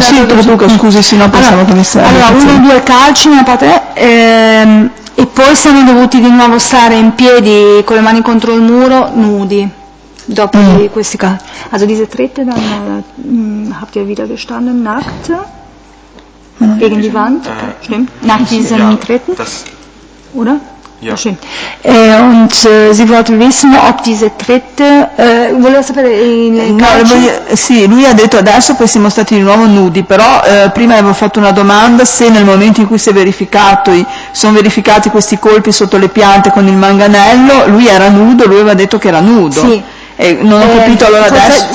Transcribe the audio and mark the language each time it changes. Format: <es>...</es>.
<it>Sì, Luca, scusi, se no possiamo cominciare. Allora, uno o due calci nella parte. E poi siamo dovuti di nuovo stare in piedi con le mani contro il muro, nudi, dopo questi calci.</it> <de>Also diese Tritte, dann habt ihr wieder gestanden, nackt, gegen die Wand, stimmt, nach diesen Tritten, oder? Ja. Stimmt. Und sie wollte wissen, ob diese Tritte,</de> <it>voleva sapere in calci? No, sì, lui ha detto adesso che siamo stati di nuovo nudi, però prima avevo fatto una domanda se nel momento in cui si è verificato sono verificati questi colpi sotto le piante con il manganello, lui era nudo, lui aveva detto che era nudo. Sì. E non ho capito allora adesso.</it>